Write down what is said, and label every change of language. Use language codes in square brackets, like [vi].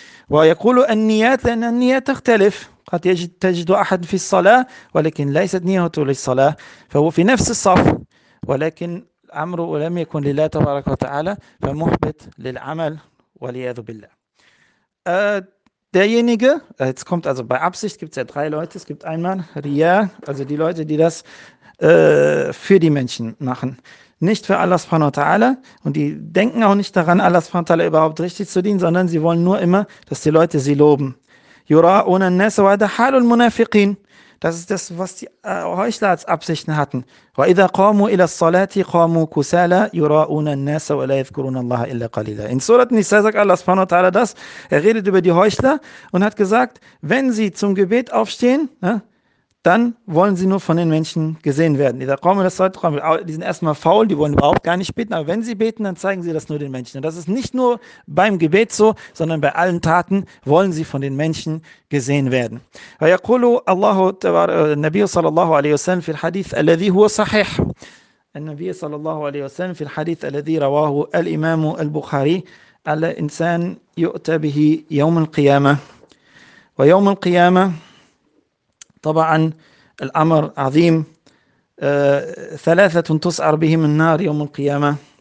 [ar] ويقول النيات، لأن النيات تختلف، قد تجد أحد في الصلاة ولكن ليست نيته للصلاة، فهو في نفس الصف ولكن أمره لم يكن لله تبارك وتعالى، فمحبط للعمل والعياذ بالله. [de] Derjenige, jetzt kommt also bei Absicht, gibt es ja drei Leute. Es gibt einmal Riya, also die Leute, die das für die Menschen machen. Nicht für Allah subhanahu wa ta'ala, und die denken auch nicht daran, Allah subhanahu wa ta'ala überhaupt richtig zu dienen, sondern sie wollen nur immer, dass die Leute sie loben. [ar] يُرَاءُونَ النَّاسَ وَهَذَا حَالُ الْمُنَافِقِينَ. [de] Das ist das, was die Heuchler als Absichten hatten. [ar] وَإِذَا قَامُوا إِلَى الصَّلَاةِ قَامُوا كُسَالَى يُرَاءُونَ النَّاسَ وَلَا يَذْكُرُونَ اللَّهَ إِلَّا قَلِيلًا. [de] In Surat Nisa sagt Allah subhanahu wa ta'ala das, er redet über die Heuchler und hat gesagt, wenn sie zum Gebet aufstehen, dann wollen sie nur von den Menschen gesehen werden. Die sind erstmal faul, die wollen überhaupt gar nicht beten, aber wenn sie beten, dann zeigen sie das nur den Menschen. Und das ist nicht nur beim Gebet so, sondern bei allen Taten wollen sie von den Menschen gesehen werden. [ar] ويقول الله النبي صلى الله عليه وسلم في الحديث الذي هو صحيح. النبي صلى الله عليه وسلم في الحديث الذي رواه الإمام البخاري على إنسان يؤتى به يوم القيامة. ويوم القيامة طبعا الأمر عظيم، ثلاثة تسعر بهم النار يوم القيامة.